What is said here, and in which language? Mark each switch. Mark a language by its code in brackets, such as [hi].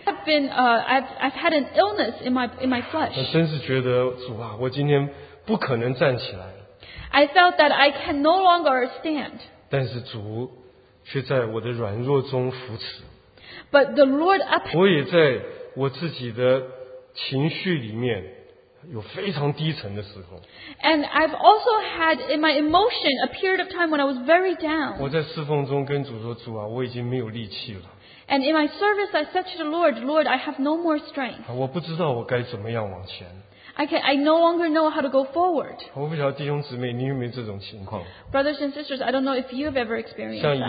[en] I've had an illness in my flesh. [zh] 真是觉得主啊, 我今天不可能站起来。 [en] I felt that I can no longer stand. [zh] 但是主却在我的软弱中扶持。 [en] But the Lord up. [zh] 我也在我自己的情绪里面。有非常低沉的时候, [en] and I've also had in my emotion a period of time when I was very down. [zh] 我在侍奉中跟主说，主啊, 我已经没有力气了。 [en] And in my service, I said to the Lord, Lord, I have no more strength. [zh] 我不知道我该怎么样往前。 [en] I no longer know how to go forward. [zh] 我不晓得弟兄姊妹，你有没有这种情况？ [en] Brothers and sisters, I don't know if you've ever experienced.